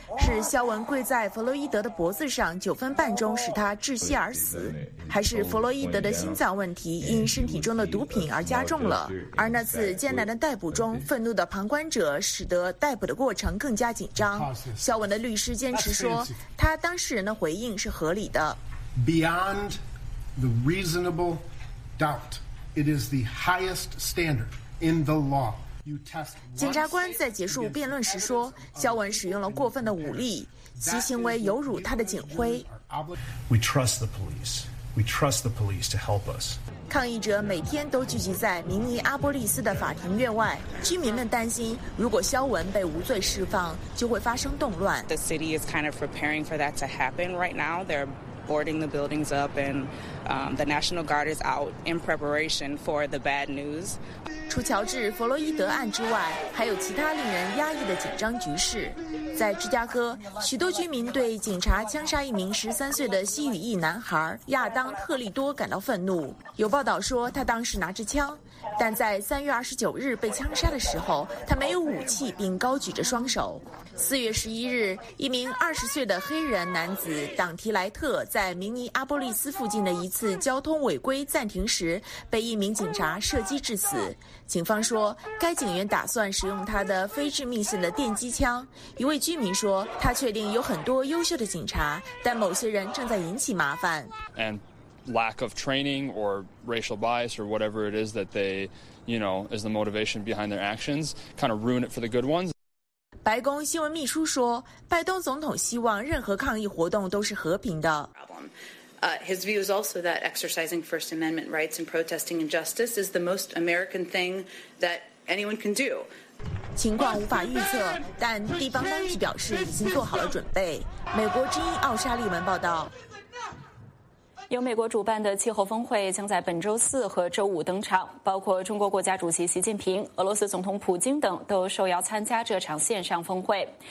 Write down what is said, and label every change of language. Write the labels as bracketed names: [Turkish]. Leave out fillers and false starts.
[Chinese] 是肖文跪在弗洛伊德的脖子上9分半钟使他窒息而死，还是弗洛伊德的心脏问题因身体中的毒品而加重了？而那次艰难的逮捕中，愤怒的旁观者使得逮捕的过程更加紧张。肖文的律师坚持说，他当事人的回应是合理的。 [English] Beyond the reasonable doubt, it is the highest standard in the law. [Chinese] 检察官在结束辩论时说，肖文使用了过分的武力，其行为有辱他的警徽。 [English] We trust the police. We trust the police to help us. [Chinese] 抗议者每天都聚集在明尼阿波利斯的法庭院外，居民们担心，如果肖文被无罪释放，就会发生动乱。 [English] The city is kind of preparing for that to happen right now. They're boarding the buildings up, and the National Guard is out in preparation for the bad news. [Chinese] 除乔治·弗洛伊德案之外，还有其他令人压抑的紧张局势。在芝加哥，许多居民对警察枪杀一名13岁的西语裔男孩亚当·特利多感到愤怒。有报道说，他当时拿着枪，但在3月29日被枪杀的时候，他没有武器并高举着双手。 4月11日，一名20岁的黑人男子党提莱特在明尼阿波利斯附近的一次交通违规暂停时被一名警察射击致死。警方说，该警员打算使用他的非致命性的电击枪。一位居民说，他确定有很多优秀的警察，但某些人正在引起麻烦。 [English] And lack of training or racial bias or whatever it is that they, you know, is the motivation behind their actions, kind of ruin it for the good ones. [Chinese] 白宫新闻秘书说，拜登总统希望任何抗议活动都是和平的。 [English] His view is also that exercising First Amendment rights and protesting injustice is the most American thing that anyone can do. [Chinese] 情况无法预测，但地方当局表示已经做好了准备。美国之音奥沙利文报道。由美国主办的气候峰会将在本周四和周五登场，包括中国国家主席习近平、俄罗斯总统普京等都受邀参加这场线上峰会。